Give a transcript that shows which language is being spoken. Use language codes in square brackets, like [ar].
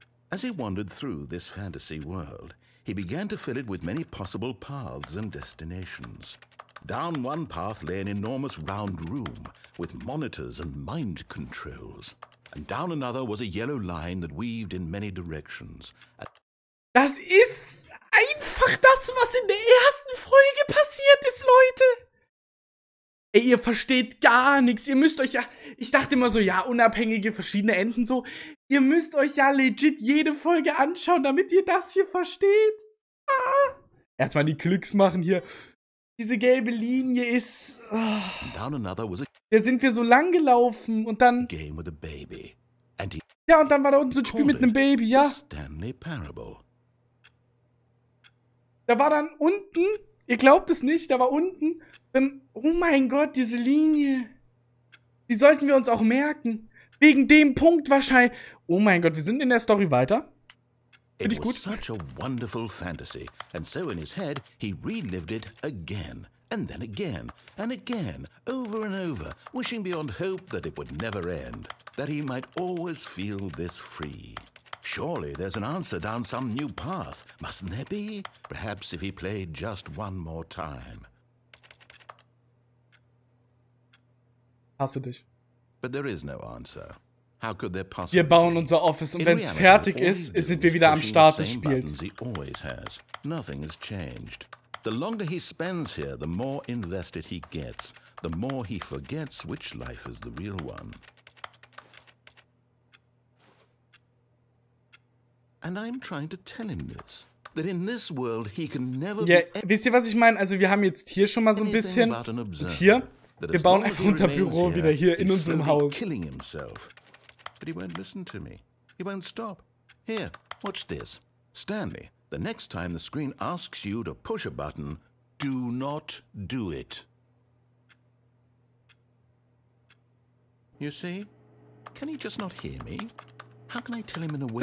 [en] As he wandered through this fantasy world, he began to fill it with many possible paths and destinations. Down one path lay an enormous round room with monitors and mind controls. And down another was a yellow line that weaved in many directions. [de] Das ist einfach das, was in der ersten Folge passiert ist, Leute. Ey, ihr versteht gar nichts. Ihr müsst euch ja... Ich dachte immer so, ja, unabhängige verschiedene Enden so. Ihr müsst euch ja legit jede Folge anschauen, damit ihr das hier versteht. Ah. Erstmal die Klicks machen hier. Diese gelbe Linie ist... Oh. Da sind wir so lang gelaufen und dann... [en] Game with a baby. And he [de] ja, und dann war da unten so ein Spiel mit einem Baby, ja. Stanley Parable. Da war dann unten, ihr glaubt es nicht, da war unten, oh mein Gott, diese Linie. Die sollten wir uns auch merken. Wegen dem Punkt wahrscheinlich. Oh mein Gott, wir sind in der Story weiter. Finde ich gut. [en] It was such a wonderful fantasy. And so in his head, he relived it again. And then again. And again. Over and over. Wishing beyond hope that it would never end. That he might always feel this free. Surely there's an answer down some new path, mustn't there be? Perhaps if he played just one more time. [de] Hasse dich. [en] But there is no answer. How could there possibly [de] Wir bauen unser Office und wenn's fertig ist, sind wir wieder am Start des Spiels. [en] He always has. Nothing has changed. The longer he spends here, the more invested he gets. The more he forgets which life is the real one. And I'm trying to tell him this, that in this world he can never yeah, be... [de] Wisst ihr, was ich meine? Also wir haben jetzt hier schon mal so ein bisschen, und hier, wir bauen einfach unser Büro wieder hier in unserem Haus. [en] Killing himself. But he won't listen to me. He won't stop. Here, watch this. Stanley, The next time the screen asks you to push a button, do not do it. You see? Can he just not hear me? How can I tell him in a way?